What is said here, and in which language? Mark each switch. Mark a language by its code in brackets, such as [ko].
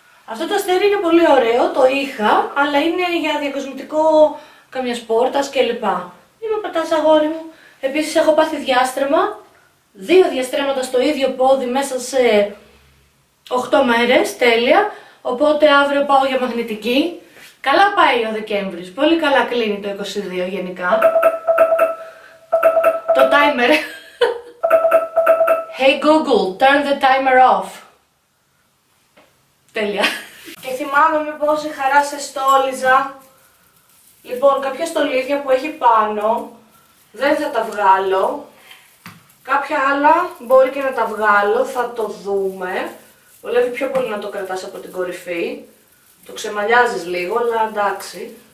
[el] Αυτό το αστέρι είναι πολύ ωραίο, το είχα, αλλά είναι για διακοσμητικό καμιας πόρτας κλπ. Μην με πατάς αγόρι μου. Επίσης έχω πάθει διάστρεμα, δύο διαστρέμματα στο ίδιο πόδι μέσα σε 8 μέρες, τέλεια. Οπότε αύριο πάω για μαγνητική. Καλά πάει ο Δεκέμβρης. Πολύ καλά κλείνει το 22 γενικά. Το timer. [en] Hey Google, turn the timer off. [el] Τέλεια. Και θυμάμαι με πόση χαρά σε στόλιζα. Λοιπόν, κάποια στολίδια που έχει πάνω δεν θα τα βγάλω. Κάποια άλλα μπορεί και να τα βγάλω, θα το δούμε. Βολεύει πιο πολύ να το κρατάς από την κορυφή. Το ξεμαλιάζεις λίγο, αλλά εντάξει.